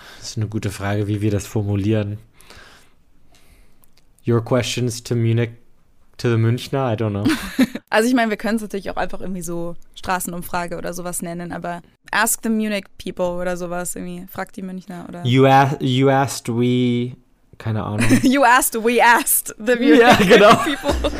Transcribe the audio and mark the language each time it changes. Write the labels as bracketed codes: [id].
[de] ist eine gute Frage, wie wir das formulieren. [en] Your questions to Munich, to the Münchner, I don't know. [de] Also ich meine, wir können es natürlich auch einfach irgendwie so Straßenumfrage oder sowas nennen, aber [en] ask the Munich people [de] oder sowas irgendwie, frag die Münchner oder... [en] You asked, we... [de] Keine Ahnung. [en] we asked the Munich people.